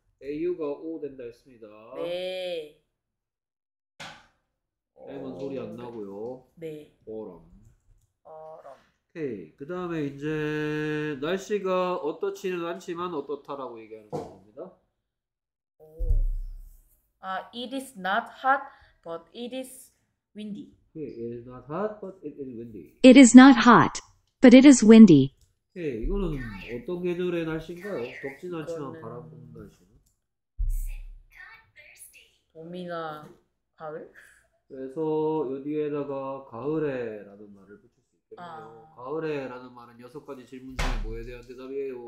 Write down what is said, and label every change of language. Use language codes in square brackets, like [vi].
[ko] AU가 오 된다 했습니다. 네. M은 소리 안 나고요. 네. [en] autumn. [ko] 얼음. 오케이. 그 다음에 이제 날씨가 어떻지는 않지만 어떻다라고 얘기하는 겁니다. 오. [en] 아, it is not hot, but it is windy. It is not hot, but it is windy. It is not hot, but it is windy. [ko] 오케이. 이거는 어떤 계절의 날씨인가요? 덥진 않지만 바람 이거는 부는 날씨. 봄이나 가을? 그래서 여기에다가 가을에라는 말을 붙일 수 있겠네요. 아, 가을에라는 말은 여섯 가지 질문 중에 뭐에 대한 대답이에요?